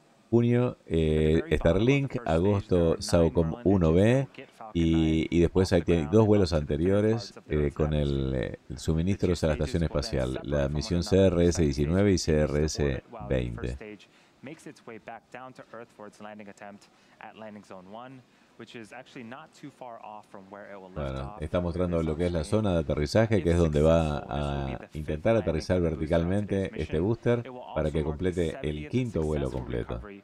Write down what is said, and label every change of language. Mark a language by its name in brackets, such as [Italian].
[Spanish] Junio, Starlink, agosto, SAOCOM 1B, y después hay dos vuelos anteriores con el suministro a la Estación Espacial, la misión CRS-19 y CRS-20. [English] Makes its way back down to Earth for its landing attempt at landing zone 1, which is actually not too far off from where it will lift off. [Spanish] Bueno, está mostrando lo que es la zona de aterrizaje, que es donde va a intentar aterrizar verticalmente este booster para que complete el quinto vuelo completo.